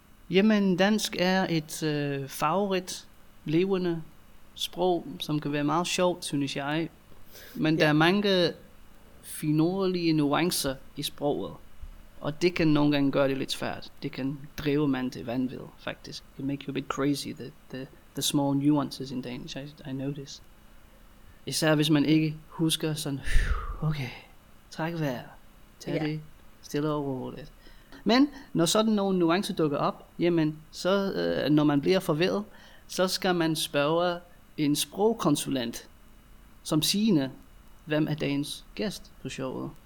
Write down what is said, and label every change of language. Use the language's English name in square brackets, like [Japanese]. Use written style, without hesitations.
[Danish] Jamen, dansk er et favorit, levende sprog, som kan være meget sjovt, synes jeg. Men der er mange finurlige nuancer i sproget. Og det kan nogle gange gøre det lidt svært. Det kan drive man til vanvid, faktisk. [English] It make you a bit crazy, the small nuances in Danish, I notice. [Danish] Især hvis man ikke husker sådan, okay, træk vejr, tag det stille og roligt. Men når sådan nogle nuancer dukker op, jamen, så når man bliver forvirret, så skal man spørge en sprogkonsulent, som Signe, hvem er dagens gæst på showet.